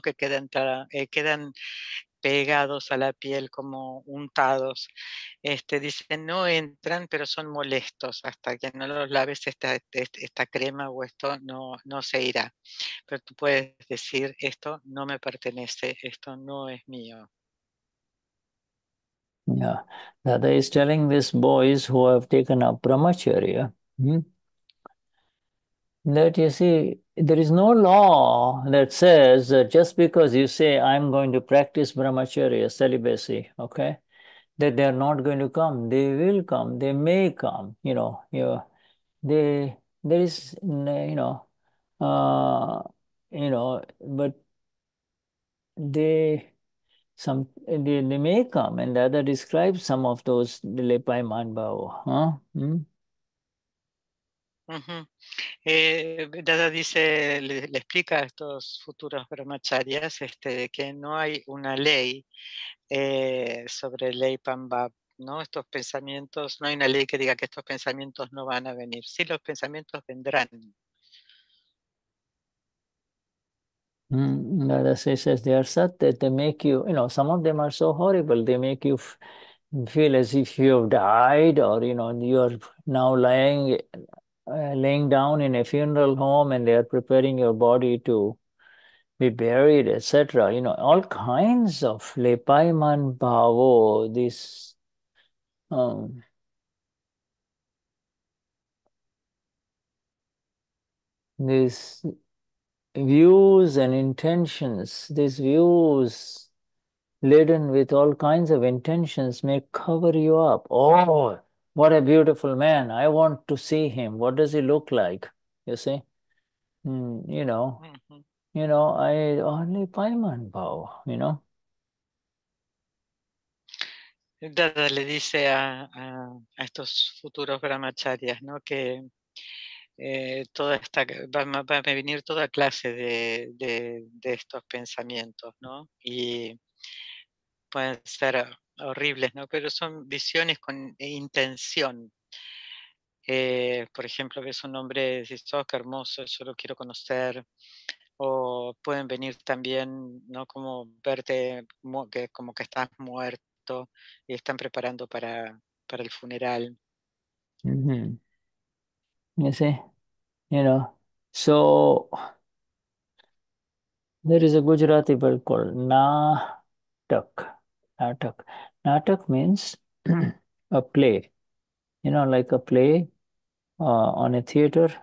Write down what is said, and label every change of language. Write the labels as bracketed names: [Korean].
[Spanish] Que quedan pegados a la piel como untados. Dicen no entran, pero son molestos. Hasta que no los laves esta crema o esto no se irá. Pero tú puedes decir esto no me pertenece, esto no es mío. [English] Yeah, Dada is telling these boys who have taken up brahmacharya that you see, there is no law that says that just because you say I'm going to practice brahmacharya celibacy, okay, that they're not going to come. They will come, they may come, you know. There is, you know, but they may come, and Dada describes some of those Lepai Manbao, huh? Hmm? [Spanish] Dada dice, le explica a estos futuros brahmacharias que no hay una ley sobre ley Pambab, ¿no? Estos pensamientos, no hay una ley que diga que estos pensamientos no van a venir. Sí, los pensamientos vendrán. [English] Dada says they are sad, that they make you, you know, some of them are so horrible, they make you feel as if you have died, or, you know, you are now laying down in a funeral home and they are preparing your body to be buried, etc. You know, all kinds of lepaiman bhavo, this this views and intentions, these views laden with all kinds of intentions may cover you up. Oh, what a beautiful man. I want to see him. What does he look like? You see? You know. Mm-hmm. You know, I only paiman bow, you know. [Spanish] Dada le dice a estos futuros brahmacharias, ¿no? Que toda esta va a venir toda clase de estos pensamientos, ¿no? Y pueden ser horribles, ¿no? Pero son visiones con intención. Por ejemplo, ves un hombre, dices, oh, qué hermoso, yo lo quiero conocer. O pueden venir también, ¿no? Como verte como que estás muerto y están preparando para el funeral. [English] Mm-hmm. You see? You know, so there is a Gujarati word called natak. Natak. Natak means a play, you know, like a play on a theater.